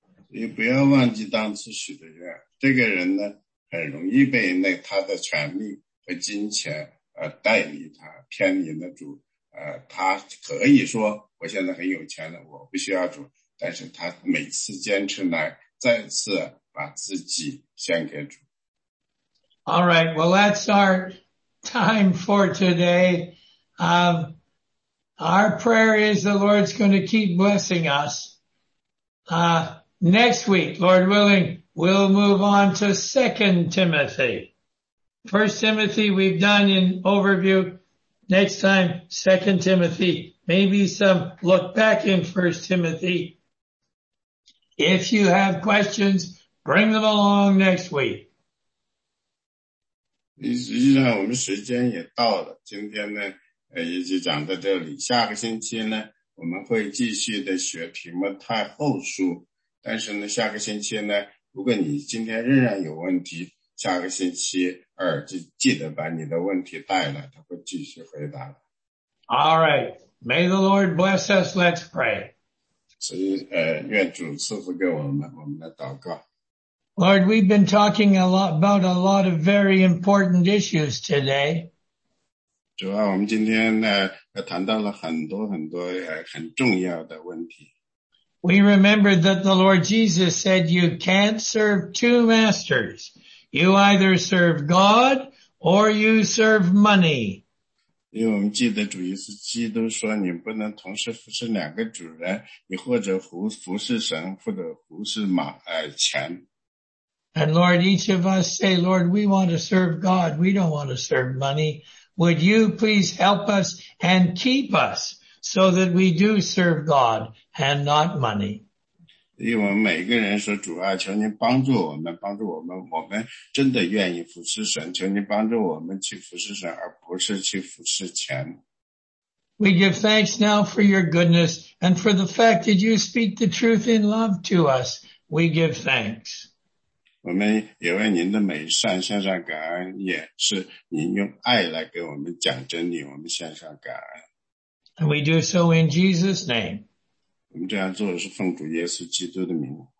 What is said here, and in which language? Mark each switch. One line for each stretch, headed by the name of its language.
Chinese: 你不要忘记当初许的愿。这个人呢，很容易被那他的权力和金钱带离他，偏离了主。他可以说我现在很有钱了，我不需要主，但是他每次坚持来，再次把自己献给主。
English: All right, well, that's our time for today. Our prayer is the Lord's going to keep blessing us. Next week, Lord willing, we'll move on to 2 Timothy. 1 Timothy we've done in overview. Next time, 2 Timothy. Maybe some look back in 1 Timothy. If you have questions, bring them along next week.
Chinese: 实际上我们时间也到了，今天呢也就讲到这里，下个星期呢我们会继续的学提摩太后书，但是呢下个星期呢如果你今天仍然有问题，下个星期二就记得把你的问题带来，他会继续回答的。
English: All right, may the Lord bless us, let's pray.
Chinese: 所以愿主赐福给我们，我们的祷告。
English: Lord, we've been talking a lot about a lot of very important issues today.
Chinese: 主啊，我们今天谈到了很多很多很重要的问题。
English: We remembered that the Lord Jesus said you can't serve two masters. You either serve God or you serve money.
Chinese: 因为我们记得主耶稣基督说你不能同时服侍两个主人，你或者服侍神，或者服侍钱。
English: And Lord, each of us say, Lord, we want to serve God. We don't want to serve money. Would you please help us and keep us so that we do serve God and not money?
Chinese: 因为我们每个人说主啊，求您帮助我们，帮助我们，我们真的愿意服侍神，求您帮助我们去服侍神，而不是去服侍钱。
English: We give thanks now for your goodness and for the fact that you speak the truth in love to us. We give thanks.
Chinese: 我们也为您的美善献上感恩，也是您用爱来给我们讲真理，我们献上感恩。
English: And we do so in Jesus' name.
Chinese: 我们这样做的是奉主耶稣基督的名。